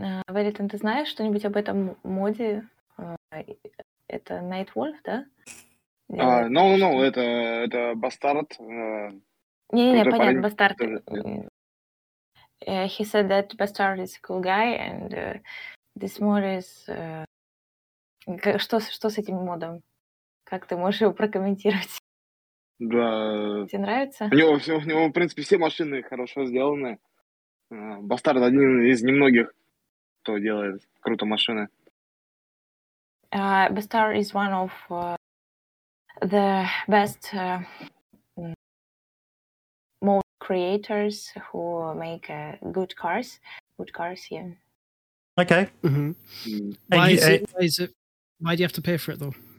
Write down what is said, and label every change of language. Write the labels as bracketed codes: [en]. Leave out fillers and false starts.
[ru] Wellison, ты знаешь что-нибудь об этом моде? Это Nightwolf, да? [en] No, [ru] это Bastard. Не, понятно, Bastard. [en] He said that Bastard is a cool guy, and this mod is... [ru] Что с этим модом? Как ты можешь его прокомментировать? Да. Тебе нравится? У него, в принципе, все машины хорошо сделаны. Bastard один из немногих, кто делает круто машины. [en] Bastard is one of... the best mod creators who make good cars, yeah. Okay. Mm-hmm. Why do you have to pay for it, though?